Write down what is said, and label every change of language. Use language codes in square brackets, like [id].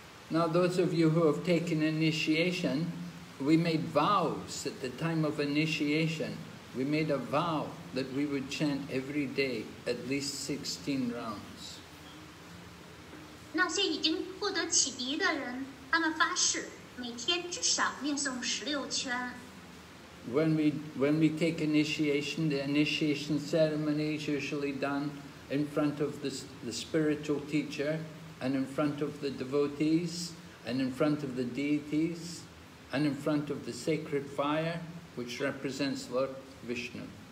[en] Now those of you who have taken initiation, we made vows at the time of initiation. We made a vow that we would chant every day at least 16 rounds. [zh] 那些已经获得启迪的人，他们发誓每天至少念诵16圈。 [en] When we take initiation, the initiation ceremony is usually done in front of the spiritual teacher and in front of the devotees and in front of the deities and in front of the sacred fire, which represents Lord Vishnu.